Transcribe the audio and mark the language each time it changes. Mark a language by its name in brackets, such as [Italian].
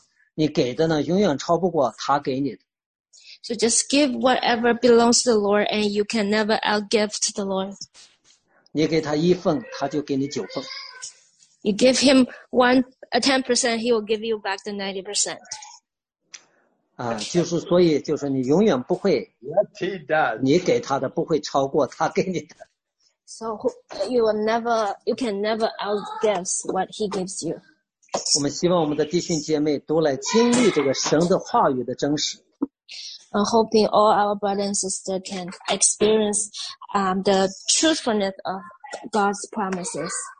[Chinese] 就是真的把神的呢给他，你给的呢永远超不过他给你的。 [English] So just give whatever belongs to the Lord, and you can never outgift the Lord. [Chinese] 你给他一份，他就给你九份。 [English] You give him a 10%, he will give you back the 90%. [Chinese] 就是所以就是你永远不会， [English] Yes, he does. [Chinese] 你给他的不会超过他给你的。 [English] So you can never outguess what he gives you. [Chinese] 我们希望我们的弟兄姐妹都来经历这个神的话语的真实。 [English] I'm hoping all our brothers and sisters can experience the truthfulness of God's promises.